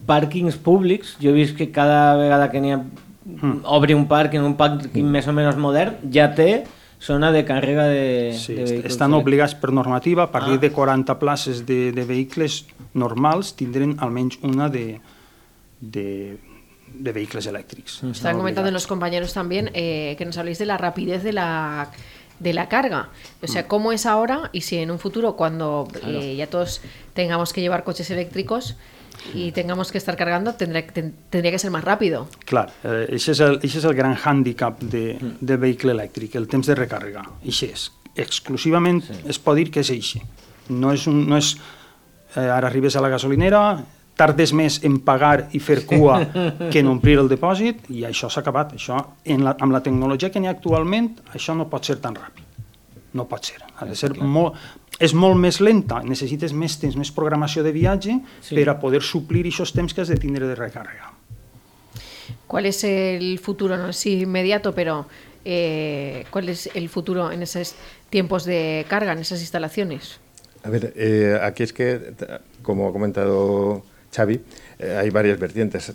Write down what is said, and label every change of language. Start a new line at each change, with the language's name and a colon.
Catalan: Pàrquings públics, jo he vist que cada vegada que n'hi ha, obri un parc en un pàrquing més o menys modern, ja té zona de càrrega de vehicles. Sí, estan obligats per normativa, a partir de 40 places de vehicles normals, tindrem almenys una de vehicles elèctrics. Estan comentant els companys també que ens
Spanish: habléis de la rapidez de la carga. O sea, ¿cómo es ahora y si en un futuro cuando ya todos tengamos que llevar coches eléctricos y tengamos que estar cargando, tendría que ser más rápido? Claro, ese es el gran hándicap de
Catalan: vehicle elèctric, el temps de recàrrega. Això és exclusivament, es pot dir que és així. No és ara arribes a la gasolinera, tardes més en pagar i fer cua que en omplir el depòsit, i això s'ha acabat. Això, amb la tecnologia que n'hi ha actualment, això no pot ser tan ràpid. No pot ser. És molt més lenta, necessites més temps, més programació de viatge per a poder suplir aquests temps que has de tindre de recàrrega.
Spanish: ¿Cuál es el futuro? No sé si inmediato, pero ¿cuál es el futuro en esos tiempos de carga, en esas instalaciones? A ver, aquí es que, como ha comentado Xavi, hay varias vertientes.